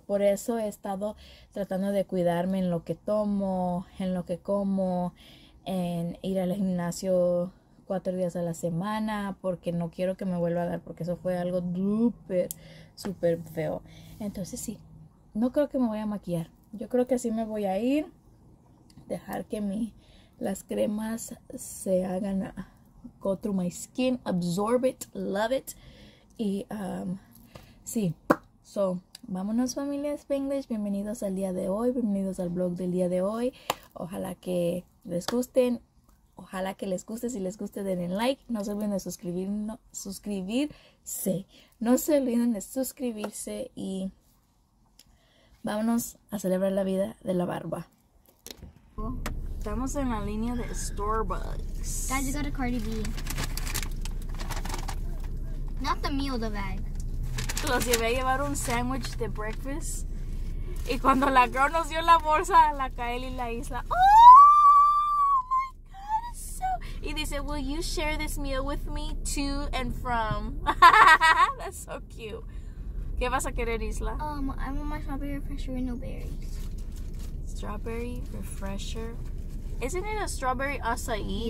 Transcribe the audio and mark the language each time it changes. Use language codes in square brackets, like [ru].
[es] Por eso he estado tratando de cuidarme en lo que tomo, en lo que como, en ir al gimnasio 4 días a la semana, porque no quiero que me vuelva a dar, porque eso fue algo súper, súper feo. Entonces, sí, no creo que me voy a maquillar. Yo creo que así me voy a ir, dejar que las cremas se hagan a. [en] Go through my skin, absorb it, love it. [es] Y sí, so vámonos, familia Spanglish. Bienvenidos al día de hoy, bienvenidos al blog del día de hoy. Ojalá que les gusten, ojalá que les guste. Si les guste, denle like. No se olviden de suscribir, no, suscribirse. No se olviden de suscribirse y vámonos a celebrar la vida de la barba. Estamos en la línea de Starbucks. [en] Guys, you go to Cardi B. Not the meal, the bag. [es] Los llevé a llevar un sandwich de breakfast. Y cuando la girl nos dio la bolsa, la Kaeli y la Isla. [en] Oh my God, it's so. [es] Y dice, [en] will you share this meal with me to and from? That's so cute. [es] ¿Qué vas a querer, Isla? [en] I want my strawberry refresher with no berries. Strawberry refresher. Isn't it a strawberry acai?